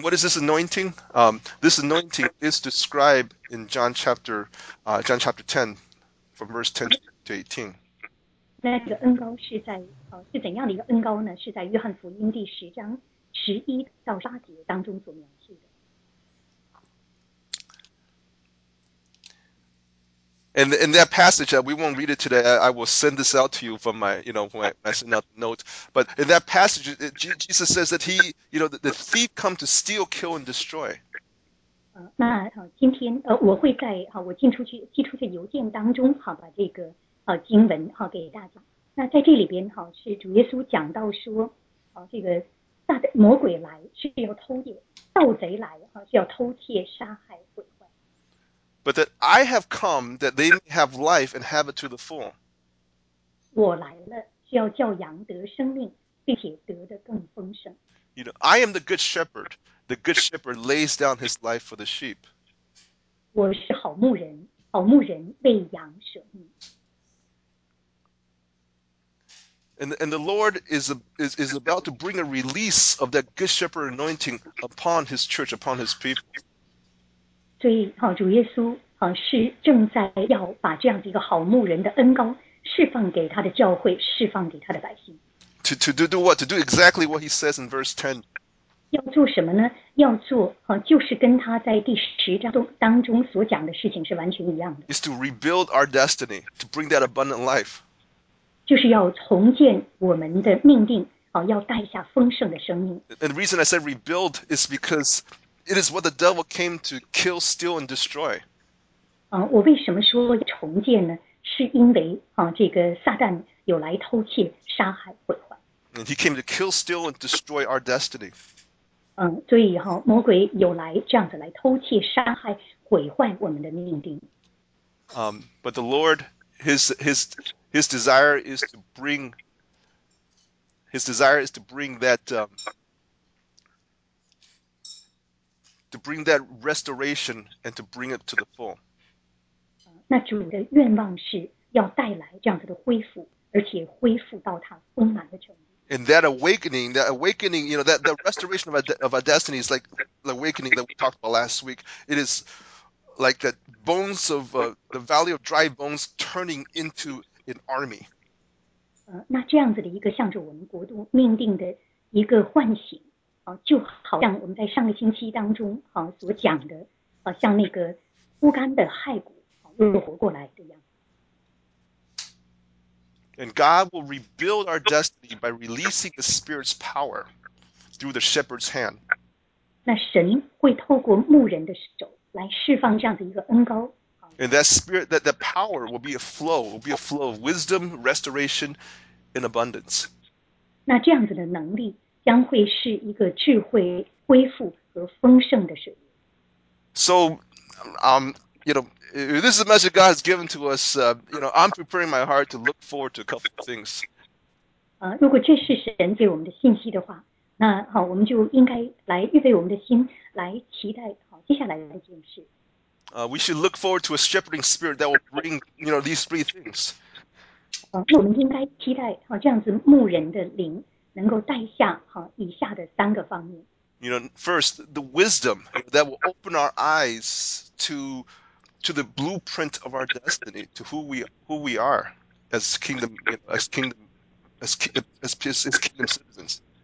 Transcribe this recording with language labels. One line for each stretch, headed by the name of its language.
English: And what is this anointing? This anointing is described in John chapter 10, from verse 10 to 18.
Chinese: 那这个恩膏是怎样的一个恩膏呢？是在约翰福音第十章十一到八节当中所描述的。
English: And in that passage, we won't read it today. I will send this out to you from my, when I send out the note. But in that passage, Jesus says that the thief come to steal, kill, and destroy.
Chinese: 那今天我会在我寄出去邮件当中把这个经文给大家。那在这里边是主耶稣讲到说这个大的魔鬼来是要偷窃，盗贼来是要偷窃、杀害、毁。
English: But that I have come that they may have life and have it to the full.
Chinese: 我来了，是要叫羊得生命，并且得的更丰盛。
English: I am the good shepherd. The good shepherd lays down his life for the sheep.
Chinese: 我是好牧人，好牧人为羊舍命。
English: And the Lord is about to bring a release of that good shepherd anointing upon his church, upon his people.
Chinese: 所以主耶稣是正在要把这样的一个好牧人的恩膏释放给他的教会，释放给他的百姓。
English: To do what? To do exactly what he says in verse 10.
Chinese: 要做什么呢？要做就是跟他在第十章当中所讲的事情是完全一样的。
English: Is to rebuild our destiny, to bring that abundant life.
Chinese: 就是要重建我们的命定要带下丰盛的生命。
English: And the reason I said rebuild is because it is what the devil came to kill, steal, and destroy.
Chinese: 我为什么说重建呢？是因为这个撒旦有来偷窃、杀害、毁坏。
English: And he came to kill, steal, and destroy our destiny.
Chinese: 所以魔鬼有来这样子来偷窃、杀害、毁坏我们的命定。
English: But the Lord, his desire is to bring. His desire is to bring that. To bring that restoration and to bring it to the full.
Chinese: 那主的愿望是要带来这样子的恢复，而且恢复到它丰满的程度。
English: And that awakening, that the restoration of our destiny is like the awakening that we talked about last week. It is like the bones of the valley of dry bones turning into an army.
Chinese: 那这样子的一个向着我们国度命定的一个唤醒。就好像我们在上个星期当中所讲的像那个枯干的骸骨又活过来的样子。
English: And God will rebuild our destiny by releasing the Spirit's power through the shepherd's hand.
Chinese: 那神会透过牧人的手来释放这样的一个恩膏
English: And that spirit, that power will be a flow, will be a flow of wisdom, restoration, and abundance.
Chinese: 那这样子的能力将会是一个智慧恢复和丰盛的水。
English: So, you know, if this is a message God has given to us. You know, I'm preparing my heart to look forward to a couple of things.
Chinese: 如果这是神给我们的信息的话，那好，我们就应该来预备我们的心，来期待好接下来的这件事。
English: We should look forward to a shepherding spirit that will bring, you know, these three things.
Chinese: 那我们应该期待好这样子牧人的灵能够带下好以下的三个方面。
English: You know, first, the wisdom that will open our eyes to the blueprint of our destiny, to who we are as kingdom, you know, as kingdom citizens.